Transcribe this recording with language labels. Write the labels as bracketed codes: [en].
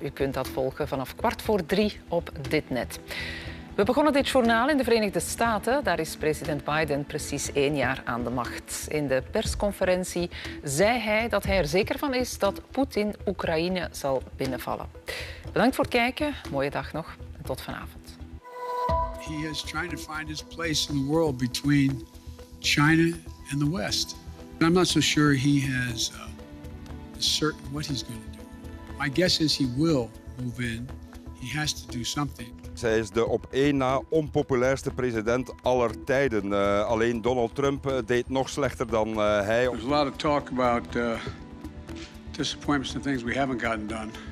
[nl] U kunt dat volgen vanaf 3:15 op dit net. We begonnen dit journaal in de Verenigde Staten. Daar is president Biden precies 1 jaar aan de macht. In de persconferentie zei hij dat hij er zeker van is dat Poetin Oekraïne zal binnenvallen. Bedankt voor het kijken. Mooie dag nog en tot vanavond. [en] He is trying to find his place in the world between China and the West. I'm not so sure he has certain what he's going to do. My guess is he will move in. He has to do something. [nl] Zij is de op 1 na onpopulairste president aller tijden. Alleen Donald Trump deed nog slechter dan hij. [en] There's a lot of talk about disappointments and things we haven't gotten done.